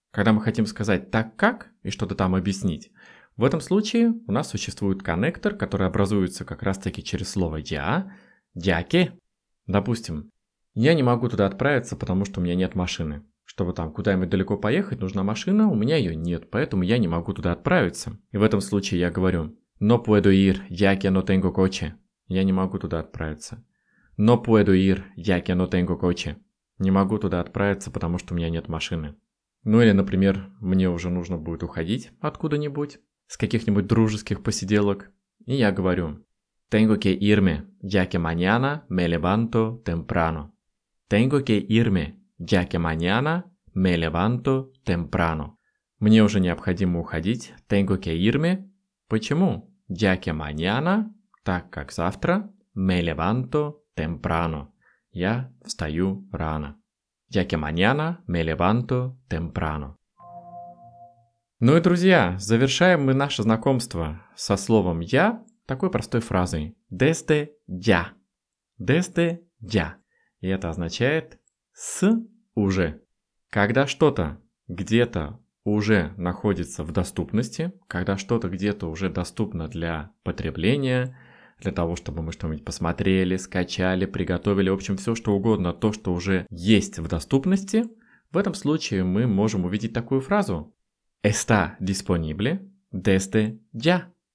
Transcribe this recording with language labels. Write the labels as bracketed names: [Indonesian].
[Russian] Когда мы хотим сказать «так как» и что-то там объяснить, в этом случае у нас существует коннектор, который образуется как раз-таки через слово «я», «я ке». Допустим, я не могу туда отправиться, потому что у меня нет машины. Чтобы там куда-нибудь далеко поехать, нужна машина, у меня ее нет, поэтому я не могу туда отправиться. И в этом случае я говорю [Spanish] «No puedo ir, ya que no tengo coche». [Russian] Я не могу туда отправиться. [Spanish] «No puedo ir, ya que no tengo coche». [Russian] Не могу туда отправиться, потому что у меня нет машины. Ну или, например, мне уже нужно будет уходить откуда-нибудь, с каких-нибудь дружеских посиделок, и я говорю [Spanish] Tengo que irme, ya que mañana me levanto temprano. Tengo que irme, ya que mañana me levanto temprano. [Russian] Мне уже необходимо уходить. [Spanish] Tengo que irme. [Russian] Почему? [Spanish] Ya que mañana, [Russian] так как завтра, [Spanish] me levanto temprano. [Russian] Я встаю рано. [Spanish] Ya que mañana me levanto temprano. [Russian] Ну и, друзья, завершаем мы наше знакомство со словом «я» такой простой фразой [Spanish] «desde ya». «Desde ya». [Russian] И это означает «с уже». Когда что-то где-то уже находится в доступности, когда что-то где-то уже доступно для потребления, для того, чтобы мы что-нибудь посмотрели, скачали, приготовили, в общем, все что угодно, то, что уже есть в доступности, в этом случае мы можем увидеть такую фразу [Spanish] «está disponible desde ya».